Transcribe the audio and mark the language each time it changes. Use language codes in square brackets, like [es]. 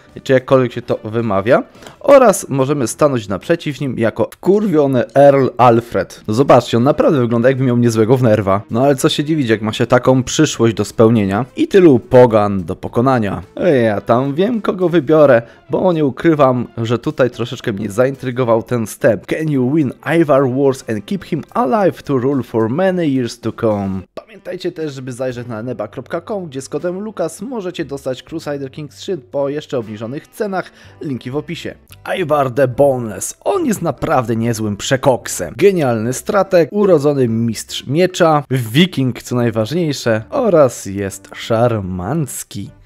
[pl] Czy jakkolwiek się to wymawia, oraz możemy stanąć naprzeciw nim jako wkurwiony Earl Alfred. No zobaczcie, on naprawdę wygląda jakby miał niezłego wnerwa. No ale co się dziwić, jak ma się taką przyszłość do spełnienia i tylu pogan do pokonania. Ja tam wiem, kogo wybiorę, bo nie ukrywam, że tutaj troszeczkę mnie zaintrygował ten step. [en] Can you win Ivar Wars and keep him alive to rule for many years to come? [pl] Pamiętajcie też, żeby zajrzeć na neba.com, gdzie z kodem Lukas możecie dostać Crusader Kings 3 po jeszcze obniżonych cenach, linki w opisie. Ivar the Boneless, on jest naprawdę niezłym przekoksem. Genialny strateg, urodzony mistrz miecza, wiking co najważniejsze oraz jest szarmancki.